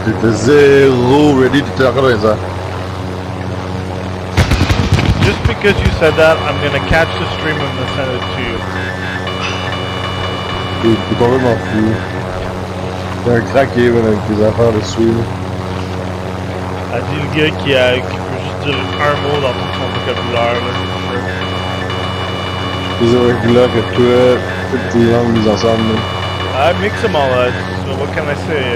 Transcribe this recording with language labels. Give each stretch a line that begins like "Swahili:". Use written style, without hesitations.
French: J'étais zéro ready, t'étais encore dans les airs.
English: Just because you said that, I'm gonna catch the stream and send it to you.
French: T'es pas vraiment fou. T'es un craqué avec tes affaires de stream. A dit le gars qui peut juste dire un mot dans tout son vocabulaire là. Plus irrégulier que toi, toutes tes langues mises ensemble là.
English: I mix them all up, so what can I say?